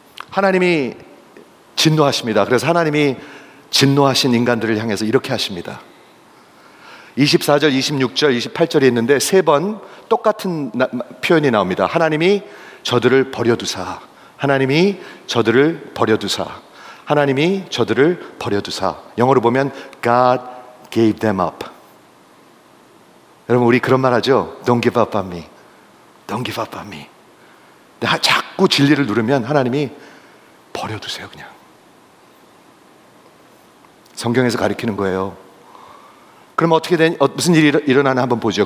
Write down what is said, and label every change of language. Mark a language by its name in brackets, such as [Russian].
[Korean] 하나님이 진노하십니다. 그래서 하나님이 진노하신 인간들을 향해서 이렇게 하십니다. 24절, 26절, 28절이 있는데 세 번 똑같은 표현이 나옵니다. 하나님이 저들을 버려두사. 하나님이 저들을 버려두사. 하나님이 저들을 버려두사. 영어로 보면 [English] God gave them up. [Korean] 여러분 우리 그런 말 하죠? [English] Don't give up on me. Don't give up on me. [Korean] 근데 자꾸 진리를 누르면 하나님이 버려두세요 그냥. 성경에서 가리키는 거예요. 그럼 어떻게 된, 무슨 일이 일어나나 한번 보죠.